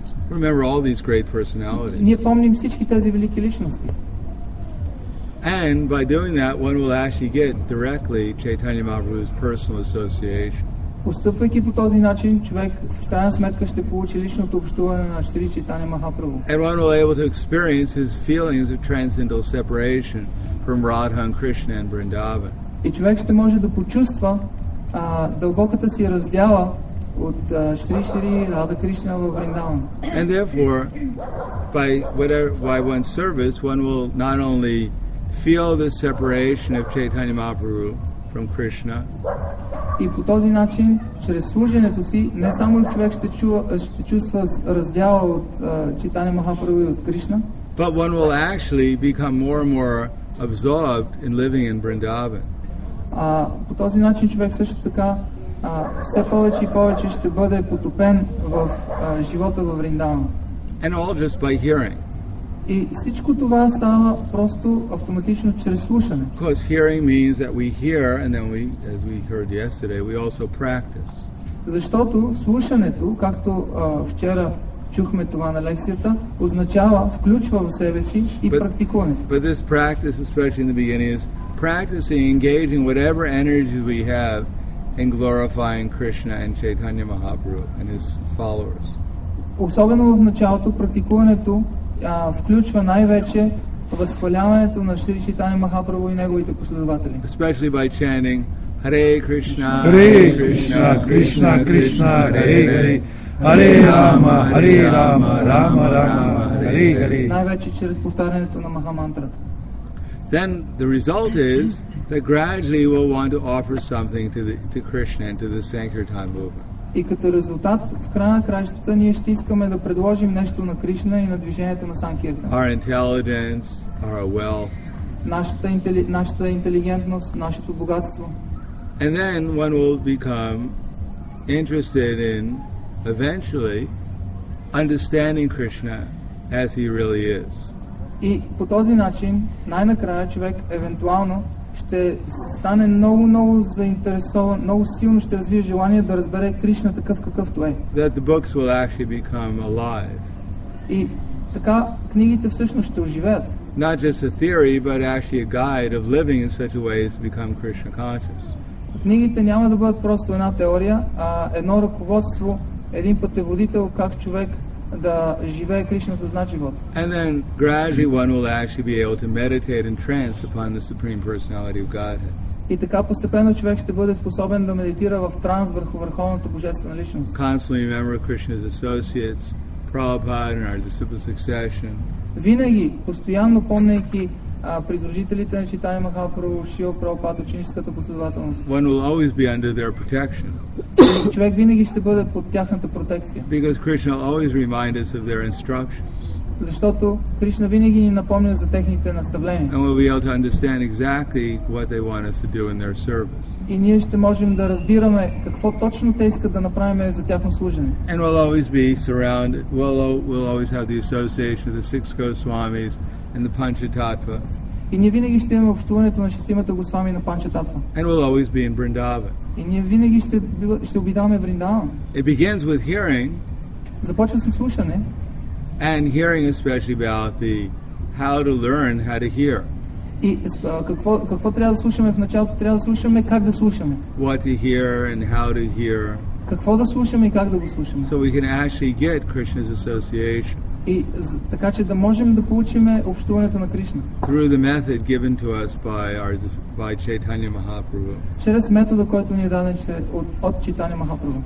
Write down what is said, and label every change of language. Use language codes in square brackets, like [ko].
[en] Remember all these great personalities. [bg] Ние помним всички тези велики личности. [en] And by doing that, one will actually get directly Chaitanya Mahaprabhu's personal association. [bg] Постъпвайки по този начин, човек в крайна сметка ще получи личното общуване на Шри Чайтанья Махапрабху. [en] And one will be able to experience his feelings of transcendental separation from Radha and Krishna and Vrindavan. [bg] И човек ще може да почувства дълбоката си раздяла от Шри Шри Радха Кришна във Вриндаван. [en] And therefore, by one's service, one will not only feel the separation of Chaitanya Mahaprabhu from Krishna. [bg] И по този начин, чрез служенето си, не само човек ще чувства раздяла от Чайтанья Махапрабху и от Кришна, [en] but one will actually become more and more absorbed in living in Vrindavan. [bg] По този начин човек също така все повече и повече ще бъде потопен в живота във Вриндаван. [en] And all just by hearing. [bg] И всичко това става просто автоматично чрез слушане. [en] Because hearing means that we hear and then we, as we heard yesterday, we also practice. [bg] Защото слушането, както вчера чухме това на лекцията, означава, включва в себе си и практикуването. [en] But this practice, especially in the beginning, is practicing, engaging whatever energies we have in glorifying Krishna and Chaitanya Mahaprabhu and his followers. [bg] Особено в началото практикуването включва най-вече възхваляването на Шри Чайтанья Махапрабху и неговите последователи. [en] Especially by chanting Hare Krishna, [sa] Hare Krishna, Krishna Krishna, Hare Hare, Hare Rama, Hare Rama, Rama Rama, Hare Hare. [bg] Най-вече чрез повтарянето на Махамантрата. [en] then the result is that gradually we'll want to offer something to Krishna and to the Sankirtan movement. [bg] И като резултат, в края на краищата, ние ще искаме да предложим нещо на Кришна и на движението на Санкиртан. [en] Our intelligence, our wealth. [bg] Нашата интелигентност, нашето богатство. [en] And then one will become interested in, eventually, understanding Krishna as he really is. [bg] И по този начин, най-накрая човек, евентуално, ще стане много-много заинтересован, много силно ще развие желание да разбере Кришна такъв какъвто е. [en] That the books will actually become alive. [bg] И така книгите всъщност ще оживеят. [en] Not just a theory, but actually a guide of living in such a way as to become Krishna conscious. [bg] Книгите няма да бъдат просто една теория, а едно ръководство, един пътеводител как човек да живее Кришна съзнат живот. [en] And then gradually one will actually be able to meditate in trance upon the Supreme Personality of Godhead. [bg] И така постепенно човек ще бъде способен да медитира в транс върху върховната божествена личност. [en] Constantly remember Krishna's associates, Prabhupada and our disciple succession. [bg] Винаги постоянно помнейки придружителите на Чайтанья Махапрабху, Шрила Прабхупада, ученическата последователност. [en] One will always be under their protection. [bg] Човек винаги ще бъде под тяхната протекция. [en] Because Krishna always reminds us of their instructions. [bg] Защото Кришна винаги ни напомня за техните наставления. [en] And we'll be able to understand exactly what they want us to do in their service. [bg] И ние ще можем да разбираме какво точно те искат да направим за тяхно служение. [en] And we'll always be surrounded. We'll always have the association of the six Goswamis and the Panchatattva. [bg] И ние винаги ще имаме общуването на шестимата Госвами на Панчататва. [en] And we'll always be in Vrindavan. [bg] И ние винаги ще обитаваме Вриндаван. [en] It begins with hearing. [bg] Започва с слушане. [en] And hearing especially about the how to learn how to hear. [bg] И какво трябва да слушаме в началото? Трябва да слушаме как да слушаме. [en] What to hear and how to hear. [bg] Какво да слушаме и как да го слушаме. [en] So we can actually get Krishna's association. [bg] И така че да можем да получим общуването на Кришна. [en] Through the method given to us by Chaitanya Mahaprabhu. [bg] Чрез метода, който ни е даден от Чайтанья Махапрабху.